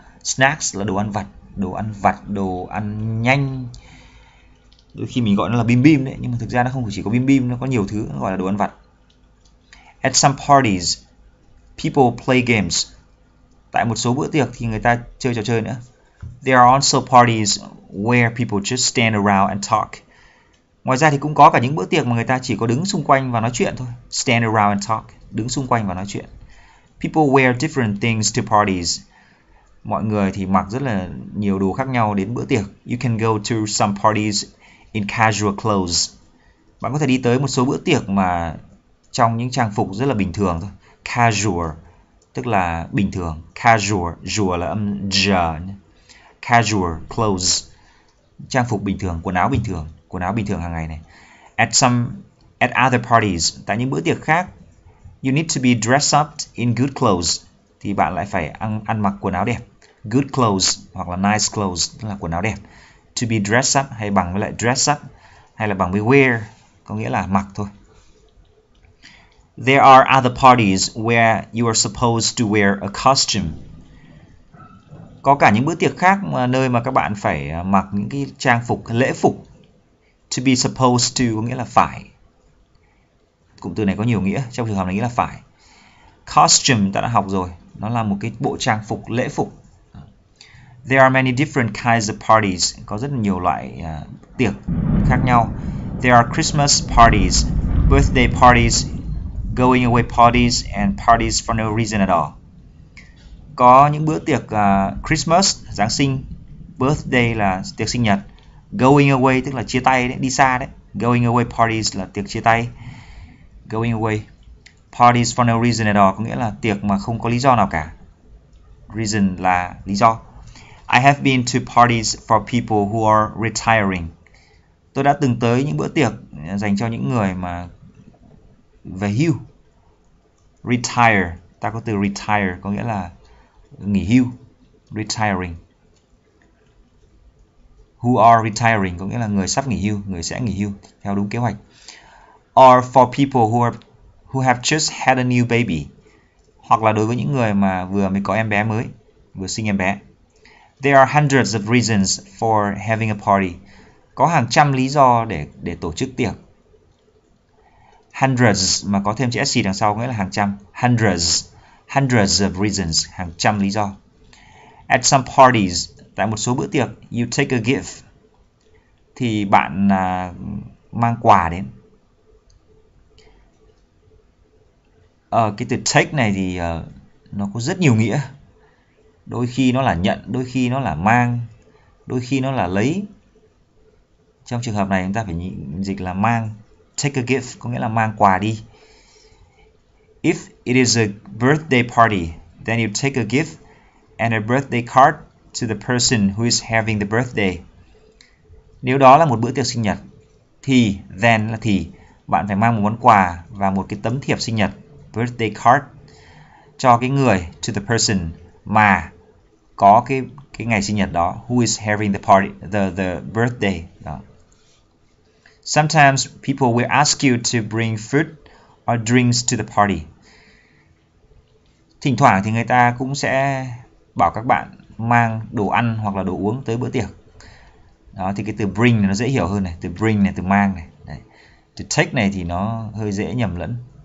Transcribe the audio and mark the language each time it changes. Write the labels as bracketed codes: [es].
[vi] Snacks là đồ ăn vặt. Đồ ăn vặt, đồ ăn nhanh. Đôi khi mình gọi nó là bim bim đấy. Nhưng mà thực ra nó không chỉ có bim bim, nó có nhiều thứ, nó gọi là đồ ăn vặt. [en] At some parties, people play games. [vi] Tại một số bữa tiệc thì người ta chơi trò chơi nữa. [en] There are also parties where people just stand around and talk. [vi] Ngoài ra thì cũng có cả những bữa tiệc mà người ta chỉ có đứng xung quanh và nói chuyện thôi. [en] Stand around and talk. [vi] Đứng xung quanh và nói chuyện. [en] People wear different things to parties. [vi] Mọi người thì mặc rất là nhiều đồ khác nhau đến bữa tiệc. [en] You can go to some parties in casual clothes. [vi] Bạn có thể đi tới một số bữa tiệc mà trong những trang phục rất là bình thường thôi. Casual tức là bình thường. Casual, jual là âm j. Casual clothes, trang phục bình thường, quần áo bình thường, quần áo bình thường hàng ngày này. [en] At other parties, [vi] tại những bữa tiệc khác, [en] you need to be dressed up in good clothes. [vi] Thì bạn lại phải ăn mặc quần áo đẹp. Good clothes hoặc là nice clothes tức là quần áo đẹp. To be dressed up hay bằng với lại dress up hay là bằng với wear có nghĩa là mặc thôi. [en] There are other parties where you are supposed to wear a costume. [vi] Có cả những bữa tiệc khác mà nơi mà các bạn phải mặc những cái trang phục lễ phục. To be supposed to có nghĩa là phải. Cụm từ này có nhiều nghĩa, trong trường hợp này nghĩa là phải. Costume ta đã học rồi, nó là một cái bộ trang phục lễ phục. [en] There are many different kinds of parties. [vi] Có rất nhiều loại tiệc khác nhau. [en] There are Christmas parties, birthday parties, going away parties and parties for no reason at all. [vi] Có những bữa tiệc Christmas, Giáng sinh, birthday là tiệc sinh nhật, going away tức là chia tay đấy, đi xa đấy. [en] Going away parties là tiệc chia tay. Going away parties for no reason at all [vi] có nghĩa là tiệc mà không có lý do nào cả. Reason là lý do. [en] I have been to parties for people who are retiring. [vi] Tôi đã từng tới những bữa tiệc dành cho những người mà về hưu. Retire, ta có từ retire có nghĩa là nghỉ hưu. Retiring. Who are retiring có nghĩa là người sắp nghỉ hưu, người sẽ nghỉ hưu theo đúng kế hoạch. [en] Or for people who have just had a new baby. [vi] Hoặc là đối với những người mà vừa mới có em bé mới, vừa sinh em bé. [en] There are hundreds of reasons for having a party. [vi] Có hàng trăm lý do để tổ chức tiệc. Hundreds mà có thêm chữ SC đằng sau nghĩa là hàng trăm. Hundreds. [en] Hundreds of reasons. [vi] Hàng trăm lý do. [en] At some parties, [vi] tại một số bữa tiệc, [en] you take a gift. [vi] Thì bạn mang quà đến. Cái từ take này thì nó có rất nhiều nghĩa. Đôi khi nó là nhận, đôi khi nó là mang, đôi khi nó là lấy. Trong trường hợp này chúng ta phải dịch là mang. take a gift, có nghĩa là mang quà đi. [en] If it is a birthday party, then you take a gift and a birthday card to the person who is having the birthday. [vi] Nếu đó là một bữa tiệc sinh nhật, thì, then là thì, bạn phải mang một món quà và một cái tấm thiệp sinh nhật, birthday card, cho cái người, to the person mà có cái ngày sinh nhật đó, [en] who is having the party, the birthday đó. Sometimes people will ask you to bring food or drinks to the party. [vi] Thỉnh thoảng thì người ta cũng sẽ bảo các bạn mang đồ ăn hoặc là đồ uống tới bữa tiệc. Đó thì cái từ bring nó dễ hiểu hơn này, từ bring này, từ mang này. Đấy. Từ take này thì nó hơi dễ nhầm lẫn.